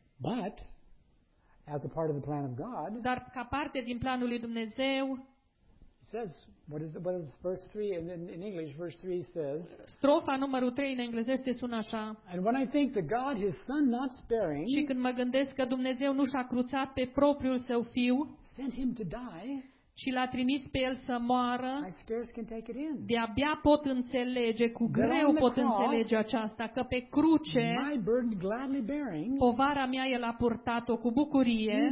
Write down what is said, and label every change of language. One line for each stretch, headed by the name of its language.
English: But as a part of the plan of God.
Romanian: Dar ca parte din planul lui Dumnezeu.
English: Says what is verse 3 in English verse 3 says
Romanian: strofa numărul 3 în englezește sună așa
English: and when I think that God his son not sparing
Romanian: și când mă gândesc că Dumnezeu nu și-a cruțat pe propriul său fiu
English: sent him to die
Romanian: și l-a trimis pe el să moară
English: I scarce can take it in
Romanian: de-abia pot înțelege cu greu pot înțelege aceasta că pe cruce
English: my burden gladly bearing
Romanian: povara mea el a purtat-o cu bucurie